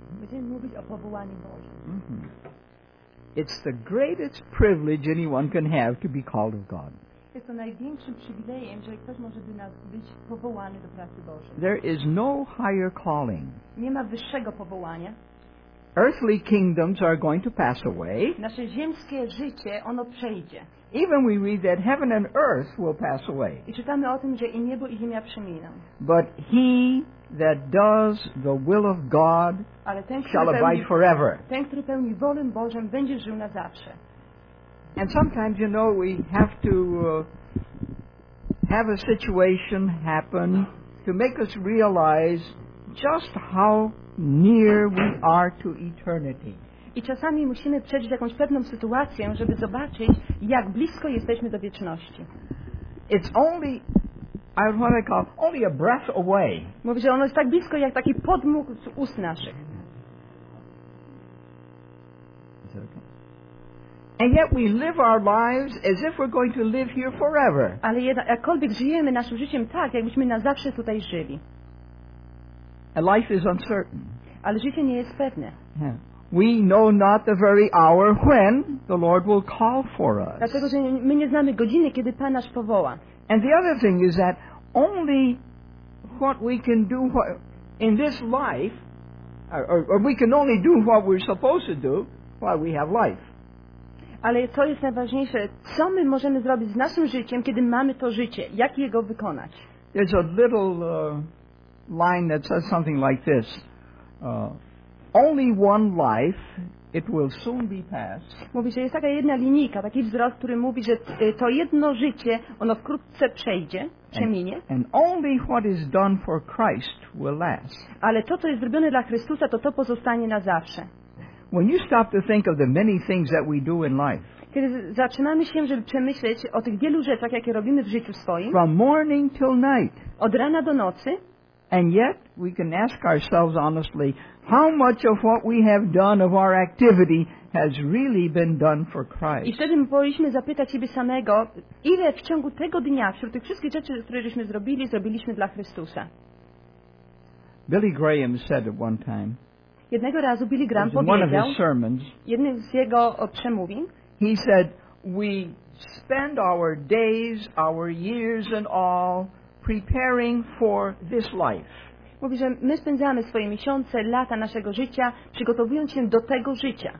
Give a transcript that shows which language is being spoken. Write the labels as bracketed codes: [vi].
[pl] Będziemy mówić o powołaniu Bożym. [en] It's the greatest privilege anyone can have to be called of God. [pl] Jest to największym przywilejem, że ktoś może być powołany do pracy Bożej. [en] There is no higher calling. [pl] Nie ma wyższego powołania. [en] Earthly kingdoms are going to pass away. [pl] Nasze ziemskie życie, ono przejdzie. [en] Even we read that heaven and earth will pass away. [pl] I czytamy o tym, że i niebo i ziemia przeminą. [en] But he that does the will of God shall abide forever. [pl] Ten, który pełni wolę Bożą, będzie żył na zawsze. [en] And sometimes, you know, we have to have a situation happen to make us realize just how near we are to eternity. [pl] I czasami musimy przejść jakąś pewną sytuację, żeby zobaczyć, jak blisko jesteśmy do wieczności. [en] It's only, I want to call, only a breath away. [pl] Mówi, że ono jest tak blisko, jak taki podmuch z ust naszych. [en] And yet we live our lives as if we're going to live here forever. [pl] Ale jakkolwiek żyjemy naszym życiem tak, jakbyśmy na zawsze tutaj żyli. [en] A life is uncertain. [pl] Ale życie nie jest pewne. [en] We know not the very hour when the Lord will call for us. [pl] Dlatego, że my nie znamy godziny, kiedy Pan nas powoła. [en] And the other thing is that only what we can do in this life, or we can only do what we're supposed to do while we have life. [pl] Ale co jest najważniejsze, co my możemy zrobić z naszym życiem, kiedy mamy to życie? Jak jego wykonać? [en] There's a little line that says something like this. Only one life, it will soon be passed. [pl] Mówi, że jest taka jedna linijka, taki wzrost, który mówi, że to jedno życie, ono wkrótce przejdzie, przeminie. [en] And only what is done for Christ will last. [pl] Ale to, co jest zrobione dla Chrystusa, to pozostanie na zawsze. [en] When you stop to think of the many things that we do in life, [pl] kiedy zaczynamy się, żeby przemyśleć o tych wielu rzeczach, jakie robimy w życiu swoim, [en] from morning till night, [pl] od rana do nocy, [en] and yet we can ask ourselves honestly, how much of what we have done of our activity has really been done for Christ? [pl] I wtedy powinniśmy zapytać siebie samego, ile w ciągu tego dnia, wśród tych wszystkich rzeczy, które żeśmy zrobili, zrobiliśmy dla Chrystusa. [en] Billy Graham said at one time, [pl] jednego razu Billy Graham powiedział, jednym z jego przemówień, [en] he said, we spend our days, our years and all preparing for this life. [pl] Mówi, że my spędzamy swoje miesiące, lata naszego życia, przygotowując się do tego życia.